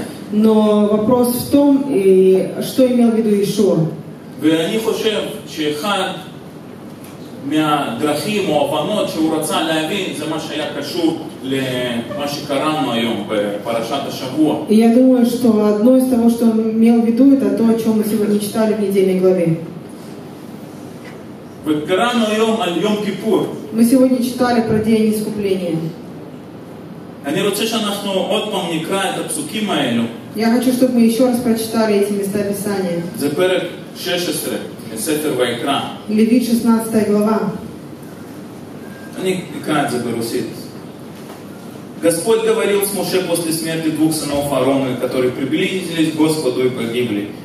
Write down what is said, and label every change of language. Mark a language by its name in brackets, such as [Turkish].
[Russian] Но вопрос в том, что имел в виду Иешуа. [Hebrew] ואני חושב שאחד מהדרכים או הבנות שהוא רצה להבין זה מה שהיה קשור למה שקראנו היום בפרשת השבוע. [Russian] Я думаю, что одно из того, что он имел в виду, это то, о чем мы сегодня читали в недельной главе. [Hebrew] וקראנו היום על יום כיפור. [Russian] Мы сегодня читали про день искупления. [Hebrew] אני רוצה שאנחנו עוד פעם נקרא את הפסוקים האלו. [Russian] Я хочу, чтобы мы еще раз прочитали эти места Писания. [Hebrew] זה פרק 16, Сефер Вайкра. [Russian] Левит 16 глава. Они икают за Берусит. Господь говорил с Моше после смерти двух сынов Аарона, которые приблизились к Господу и погибли.